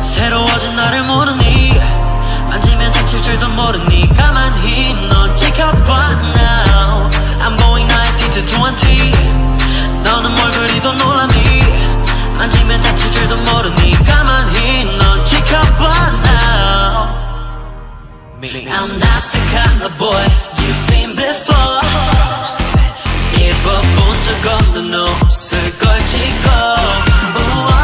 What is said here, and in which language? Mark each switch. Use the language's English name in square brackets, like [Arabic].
[Korean] 새로워진 나를 모르니 만지면 다칠 줄도 모르니 가만히 넌 지켜봐 now. [English] I'm going 19 to 20. [Korean] 너는 뭘 그리도 놀라니 만지면 다칠 줄도 모르니 가만히 넌 지켜봐 now. [English] I'm not the kind of boy you've seen before. [Korean] 입어본 적 없는 옷을 걸치고